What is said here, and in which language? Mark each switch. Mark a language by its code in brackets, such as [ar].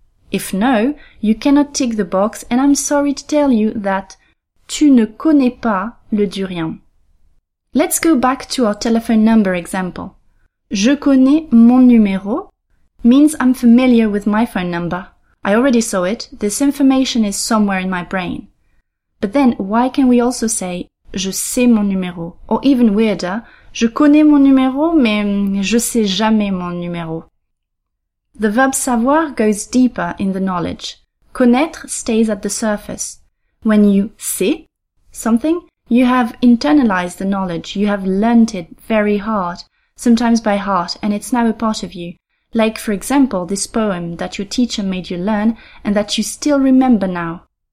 [en] If no, you cannot tick the box and I'm sorry to tell you that [fr] tu ne connais pas le durian. [en] Let's go back to our telephone number example. [fr] Je connais mon numéro [en] means I'm familiar with my phone number. I already saw it. This information is somewhere in my brain. But then why can we also say [fr] je sais mon numéro? [en] Or even weirder, [fr] je connais mon numéro, mais je sais jamais mon numéro. [en] The verb savoir goes deeper in the knowledge. Connaître stays at the surface. When you sais something, you have internalized the knowledge. You have learned it very hard, sometimes by heart, and it's now a part of you. Like, for example, this poem that your teacher made you learn and that you still remember now.